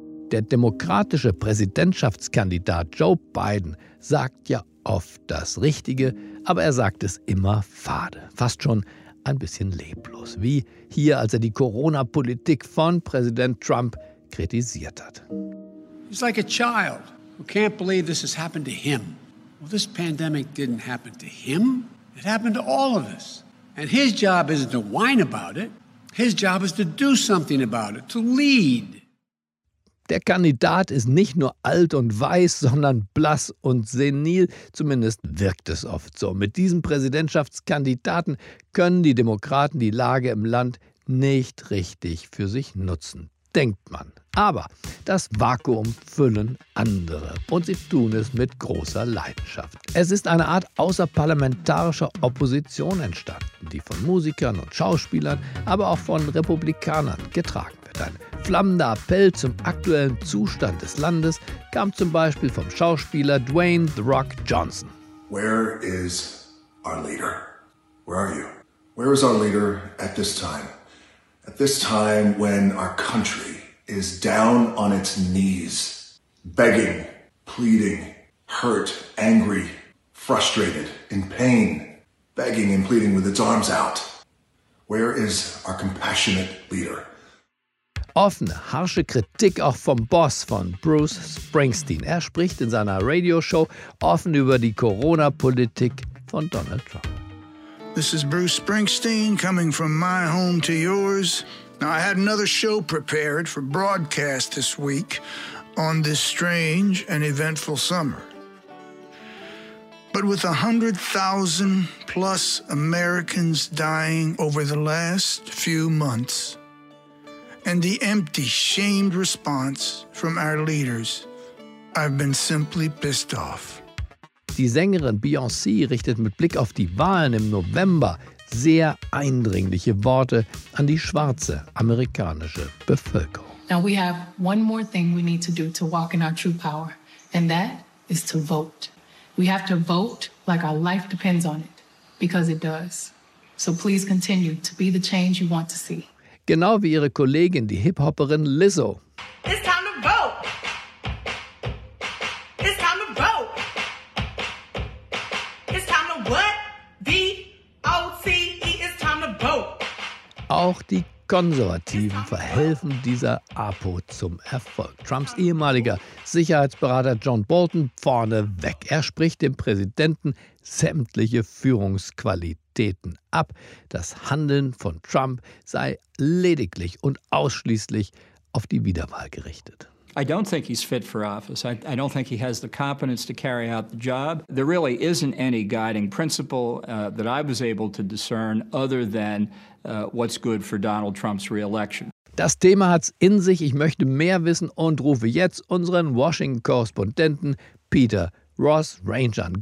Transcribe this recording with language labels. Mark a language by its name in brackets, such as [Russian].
[German] Der demokratische Präsidentschaftskandidat Joe Biden sagt ja oft das Richtige, aber er sagt es immer fade, fast schon ein bisschen leblos. Wie hier, als er die Corona-Politik von Präsident Trump kritisiert hat. [English] He's like a child who can't believe this has happened to him. Well, this pandemic didn't happen to him. It happened to all of us. And his job isn't to whine about it. His job is to do something about it, to lead. [German] Der Kandidat ist nicht nur alt und weiß, sondern blass und senil. Zumindest wirkt es oft so. Mit diesem Präsidentschaftskandidaten können die Demokraten die Lage im Land nicht richtig für sich nutzen, denkt man. Aber das Vakuum füllen andere. Und sie tun es mit großer Leidenschaft. Es ist eine Art außerparlamentarischer Opposition entstanden, die von Musikern und Schauspielern, aber auch von Republikanern getragen wird. Ein flammender Appell zum aktuellen Zustand des Landes kam zum Beispiel vom Schauspieler Dwayne The Rock Johnson. [English] Where is our leader? Where are you? Where is our leader at this time? At this time when our country is down on its knees, begging, pleading, hurt, angry, frustrated, in pain, begging and pleading with its arms out. Where is our compassionate leader? [German] Offene, harsche Kritik auch vom Boss von Bruce Springsteen. Er spricht in seiner Radioshow offen über die Corona-Politik von Donald Trump. [English] This is Bruce Springsteen coming from my home to yours. Now I had another show prepared for broadcast this week on this strange and eventful summer. But with 100,000 plus Americans dying over the last few months and the empty, shamed response from our leaders, I've been simply pissed off. [German] Die Sängerin Beyoncé richtet mit Blick auf die Wahlen im November sehr eindringliche Worte an die schwarze amerikanische Bevölkerung. [English] Now we have one more thing we need to do to walk in our true power, and that is to vote. We have to vote like our life depends on it, because it does. So please continue to be the change you want to see. [German] Genau wie ihre Kollegin, die Hip-Hopperin Lizzo. [English] It's time to vote! It's time to vote! It's time to what? V-O-C-E, it's time to vote! [German] Auch die Konservativen verhelfen dieser APO zum Erfolg. Trumps ehemaliger Sicherheitsberater John Bolton vorne weg. Er spricht dem Präsidenten sämtliche Führungsqualitäten ab. Das Handeln von Trump sei lediglich und ausschließlich auf die Wiederwahl gerichtet. [English] I don't think he's fit for office. I don't think he has the competence to carry out the job. There really isn't any guiding principle that I was able to discern other than what's good for Donald Trump's re-election. [German] Das Thema hat's in sich. Ich möchte mehr wissen und rufe jetzt unseren Washington-Korrespondenten Peter Ross Ranger an.